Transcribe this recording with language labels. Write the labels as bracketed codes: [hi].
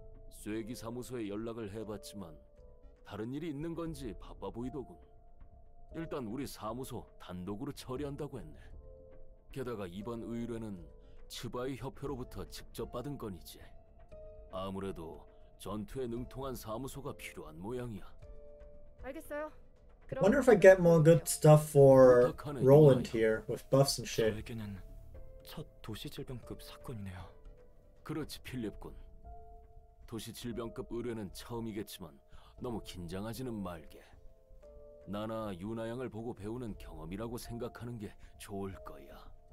[ko] 쇠기 사무소에 연락을 해봤지만 다른 일이 있는 건지 바빠 보이더군. 일단 우리 사무소 단독으로 처리한다고 했네. 게다가 이번 의뢰는 츠바이 협회로부터 직접 받은 건이지. 아무래도 전투에 능통한 사무소가 필요한 모양이야. 알겠어요. [en] I wonder if I get more good stuff for Roland here with buffs and shit. [ko] 저에게는 첫 도시 질병급 사건이네요. 그렇지, 필립군. 도시 질병급 의뢰는 처음이겠지만 너무 긴장하지는 말게. 나나 유나양을 보고 배우는 경험이라고 생각하는 게 좋을 거야.